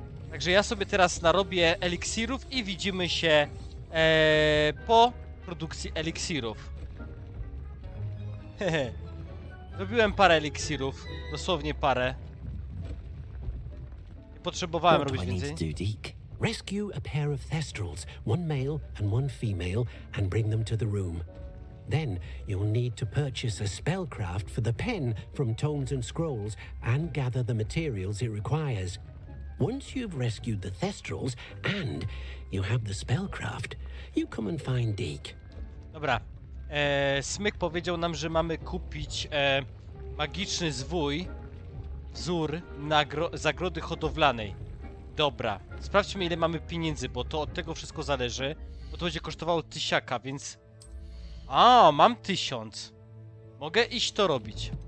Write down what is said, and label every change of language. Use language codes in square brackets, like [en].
[pl] Także ja sobie teraz narobię eliksirów i widzimy się po produkcji eliksirów. Robiłem parę eliksirów, dosłownie parę. Nie potrzebowałem robić więcej. Co muszę zrobić, Deke? [en] Rescue a pair of thestrals, one male and one female, and bring them to the room. Then you'll need to purchase a spellcraft for the pen from Tomes and Scrolls and gather the materials it requires. Once you've rescued the Thestrals, and you have the spellcraft, you come and find Deke. [pl] Dobra. Smyk powiedział nam, że mamy kupić magiczny zwój, wzór zagrody hodowlanej. Dobra. Sprawdźmy, ile mamy pieniędzy, bo to od tego wszystko zależy. Bo to będzie kosztowało 1000, więc... A, mam 1000. Mogę iść to robić.